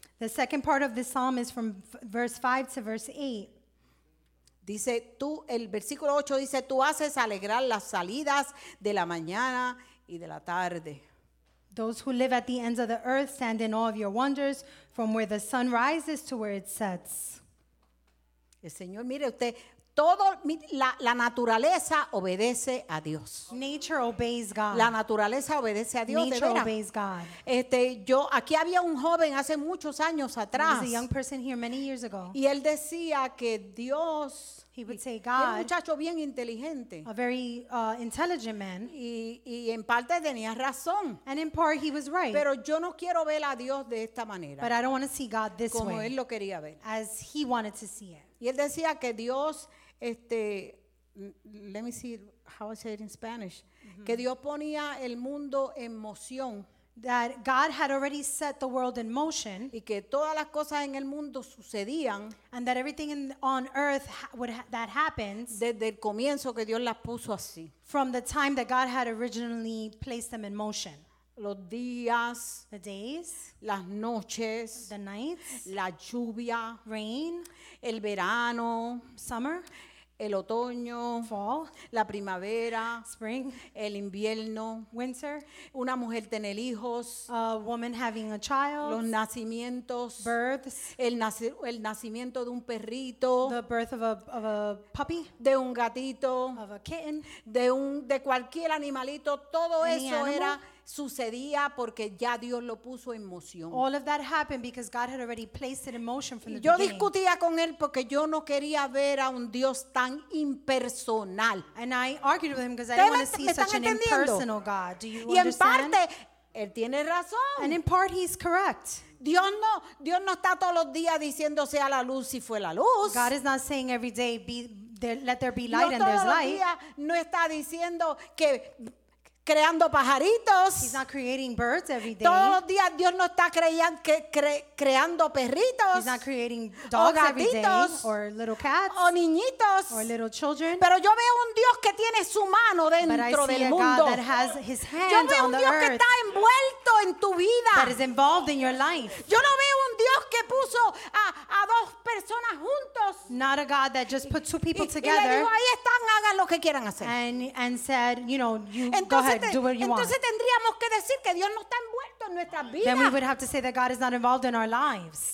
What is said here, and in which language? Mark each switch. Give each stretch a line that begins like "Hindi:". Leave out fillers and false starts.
English: The second part of the psalm is from verse 5 to verse 8.
Spanish: Dice tú, el versículo 8 dice, tú haces alegrar las salidas de la mañana y de la tarde.
English: Those who live at the ends of the earth stand in awe of your wonders, from where the sun rises to where it sets.
Spanish: El Señor, mire usted, todo la naturaleza obedece a Dios.
English: Nature obeys God.
Spanish: La naturaleza obedece a Dios.
English: Nature
Spanish: de veras.
English: Obeys God.
Spanish: Yo aquí había un joven hace muchos años atrás.
English: There was a young person here many years ago.
Spanish: Y él decía que Dios.
English: He would say God.
Spanish: Un muchacho bien inteligente.
English: A very intelligent man.
Spanish: Y en parte tenía razón.
English: And in part he was right.
Spanish: Pero yo no quiero ver a Dios de esta manera.
English: But I don't want to see God this
Spanish: como
English: way.
Spanish: Como él lo quería ver.
English: As he wanted to see it.
Spanish: Y él decía que Dios,
English: let me see how I say it in Spanish,
Spanish: mm-hmm. que Dios ponía el mundo en moción.
English: that God had already set the world in motion,
Spanish: y que todas las cosas en el mundo sucedían,
English: and that everything in, on earth would that happens
Spanish: desde el comienzo que Dios las puso así,
English: from the time that God had originally placed them in motion.
Spanish: Los días,
English: the days,
Spanish: las noches,
English: the nights,
Spanish: la lluvia,
English: rain,
Spanish: el verano,
English: summer,
Spanish: el otoño,
English: fall,
Spanish: la primavera,
English: spring,
Spanish: el invierno,
English: winter,
Spanish: una mujer tener hijos,
English: a woman having a child,
Spanish: los nacimientos,
English: births,
Spanish: el nacimiento de un perrito,
English: the birth of a puppy,
Spanish: de un gatito,
English: of a kitten,
Spanish: de cualquier animalito, todo eso era sucedía porque ya Dios lo puso en moción.
English: All of that happened because God had already placed it in motion from the beginning.
Spanish: Yo discutía con él porque yo no quería ver a un Dios tan impersonal.
English: And I argued with him because I didn't want to see such an impersonal God. Do you understand?
Spanish: Y en parte él tiene razón.
English: And in part he's correct.
Spanish: Dios no está todos los días diciendo sea la luz y fue la luz.
English: God is not saying every day let there be light and there's light.
Spanish: No todos los días no está diciendo que creando pajaritos.
English: He's not creating birds every day.
Spanish: Todos los días Dios no está creando perritos.
English: He's not creating dogs every day. Or little cats.
Spanish: O niñitos.
English: Or little children.
Spanish: Pero yo veo un Dios que tiene su mano dentro del mundo.
English: But I see a God that has his hand on the earth.
Spanish: Yo veo un Dios que está envuelto en tu vida.
English: That is involved in your life.
Spanish: Yo no veo un Dios que puso a dos personas juntos.
English: Not a God that just put two people together.
Spanish: Y le dijo, ahí están, hagan lo que quieran hacer.
English: And said, you know, you go ahead, do what you
Spanish: entonces Tendríamos que decir que Dios no está envuelto en nuestras vidas.
English: Then we would have to say that God is not involved in our lives.